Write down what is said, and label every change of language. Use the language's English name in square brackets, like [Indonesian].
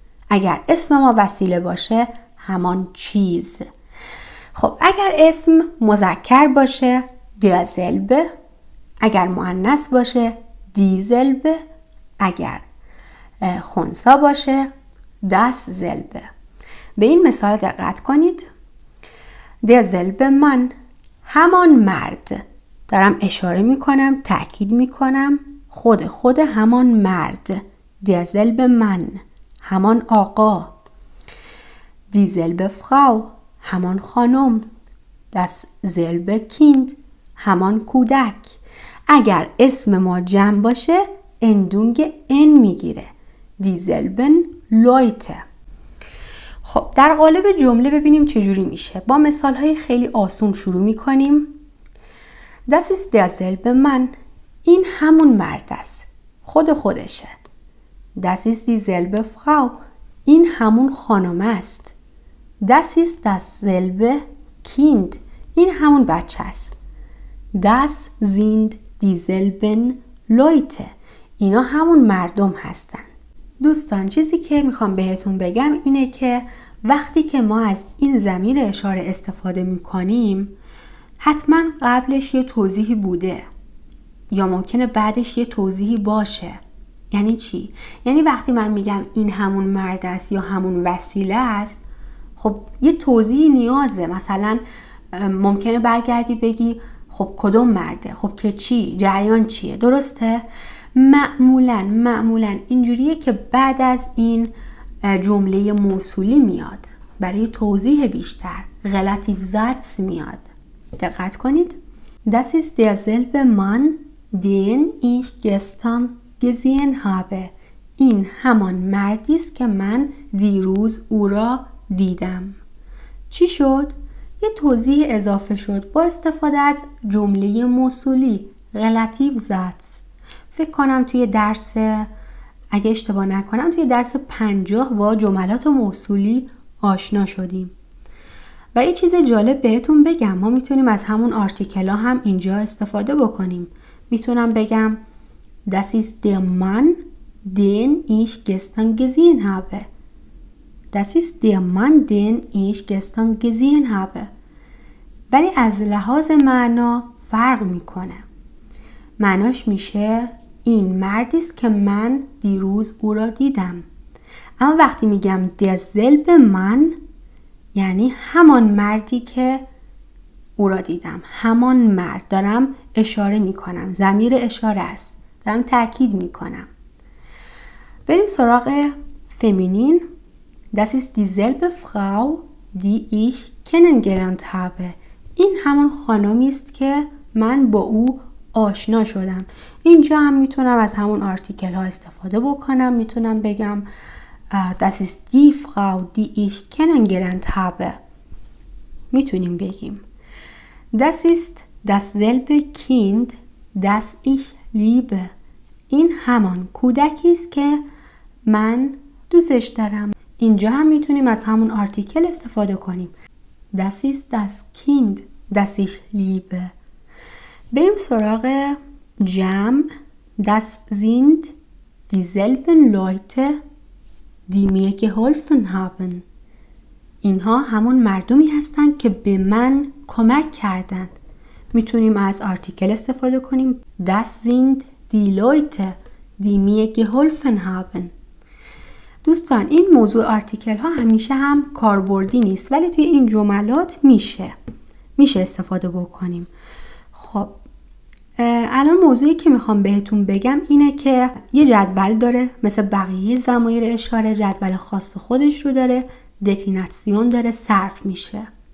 [Persian] اگر اسم ما وسیله باشه، همان چیز. خب اگر اسم مذکر باشه، [German] Der selbe. [Persian] اگر مؤنث باشه، [German] Die selbe. [Persian] اگر خونسا باشه، [German] das selbe. [Persian] به این مثال دقت کنید. [German] Der selbe Mann، [Persian] همان مرد. دارم اشاره میکنم، تأکید میکنم، خود همان مرد. [German] Der selbe Mann، [Persian] همان آقا. [German] Die selbe Frau، [Persian] همان خانم. [German] Das selbe Kind، [Persian] همان کودک. اگر اسم ما جمع باشه، اندونگ ان میگیره. دیزلبن لویته. خب در قالب جمله ببینیم چجوری میشه. با مثال های خیلی آسون شروع میکنیم. [German] Das ist der selbe Mann، [Persian] این همون مرد است، خود خودشه. [German] Das ist die selbe Frau، [Persian] این همون خانم است. [German] Das ist das selbe Kind، [Persian] این همون بچه است. [German] Das sind dieselben Leute، [Persian] اینا همون مردم هستن. دوستان چیزی که میخوام بهتون بگم اینه که وقتی که ما از این ضمیر اشاره استفاده میکنیم، حتما قبلش یه توضیحی بوده یا ممکنه بعدش یه توضیحی باشه. یعنی چی؟ یعنی وقتی من میگم این همون مرد است یا همون وسیله است، خب یه توضیحی نیازه. مثلا ممکنه برگردی بگی خب کدوم مرده؟ خب که چی؟ جریان چیه؟ درسته؟ معمولاً اینجوریه که بعد از این جمله موصولی میاد برای توضیح بیشتر، relative ذاتس میاد. دقت کنید. [German] Das ist der selbe Mann den ich gestern gesehen habe. [Persian] این همان مردی است که من دیروز او را دیدم. چی شد؟ یه توضیح اضافه شد با استفاده از جمله موصولی، relative ذاتس. فکر کنم توی درس، اگه اشتباه نکنم، توی درس 50 با جملات موصولی آشنا شدیم. و یه چیز جالب بهتون بگم، ما میتونیم از همون آرتیکل ها هم اینجا استفاده بکنیم. [German] میتونم بگم Das ist der Mann den ich gestern gesehen habe. Das ist der Mann den ich gestern gesehen habe. [Persian] ولی از لحاظ معنا فرق میکنه. معناش میشه این مردی است که من دیروز او را دیدم. اما وقتی میگم [German] der selbe Mann، [Persian] یعنی همان مردی که او را دیدم، همان مرد. دارم اشاره میکنم، ضمیر اشاره است، دارم تاکید میکنم. بریم سراغ فمینین. [German] Das ist dieselbe Frau die ich kennengelernt habe، [Persian] این همان خانمی است که من با او آشنا شدم. اینجا هم میتونم از همون آرتیکل ها استفاده بکنم. [German] میتونم بگم Das ist die Frau die ich kennengelernt habe. [Persian] میتونیم بگیم [German] Das ist dasselbe Kind das ich liebe. [Persian] این همان کودکی است که من دوستش دارم. اینجا هم میتونیم از همون آرتیکل استفاده کنیم. [German] Das ist das Kind das ich liebe. [Persian] بریم سراغ جمع. [German] Das sind dieselben Leute die mir geholfen haben. [Persian] اینها همون مردمی هستند که به من کمک کردند. میتونیم از آرتیکل استفاده کنیم. [German] Das sind die Leute die mir geholfen haben. [Persian] دوستان این موضوع آرتیکل ها همیشه هم کاربردی نیست، ولی توی این جملات میشه استفاده بکنیم. خب الان موضوعی که میخوام بهتون بگم اینه که یه جدول داره، مثل بقیه ضمایر اشاره جدول خاص خودش رو داره، دکلیناسیون داره، صرف میشه.